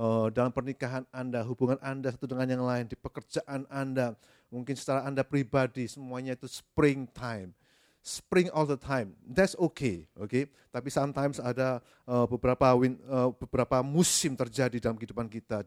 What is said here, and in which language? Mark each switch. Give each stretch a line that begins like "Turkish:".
Indonesian: Dalam pernikahan Anda, hubungan Anda satu dengan yang lain, di pekerjaan Anda, mungkin secara Anda pribadi, semuanya itu springtime.
English: Spring all the time, that's okay. Okay?
Indonesian: Tapi sometimes ada beberapa musim terjadi dalam kehidupan kita.